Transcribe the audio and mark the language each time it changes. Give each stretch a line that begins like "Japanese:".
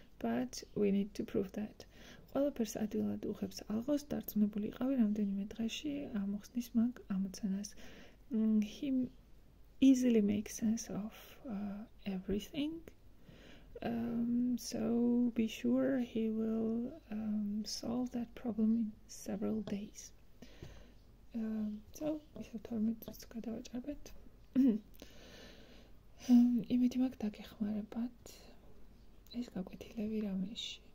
English: But we need to prove that.
Georgian: ყველაფერს ადვილად უხებს ალღოს, დარწმუნებული იყავი რამდენიმე დღეში ამოხსნის მაგ ამოცანას.
English: He easily makes sense of everything. So be sure he will solve that problem in several days.
Georgian: So ისევ 12-ს გადავაჭარბეთ. იმედი მაქვს დაგეხმარებათ. ეს გაკვეთილები რამეში.